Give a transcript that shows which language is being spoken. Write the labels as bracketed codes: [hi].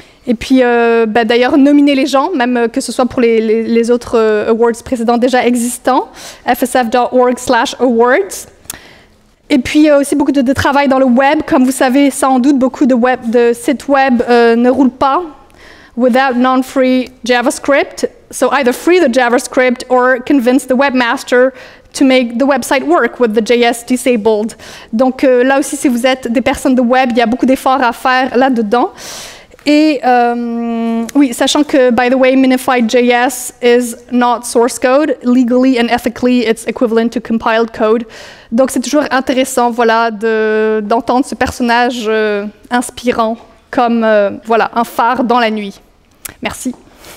[fr] Et puis, d'ailleurs, nominer les gens, même que ce soit pour les autres awards précédents déjà existants, fsf.org/awards. Et puis, il y a aussi beaucoup de travail dans le web. Comme vous savez, sans doute, beaucoup de sites web ne roulent pas [en] without non-free JavaScript. So either free the JavaScript or convince the webmaster to make the website work with the JS disabled. [fr] Donc là aussi, si vous êtes des personnes de web, il y a beaucoup d'efforts à faire là-dedans. Et oui, sachant que, [en] by the way, minified JS is not source code. Legally and ethically, it's equivalent to compiled code. [fr] Donc, c'est toujours intéressant, voilà, d'entendre ce personnage inspirant comme, voilà, un phare dans la nuit. Merci.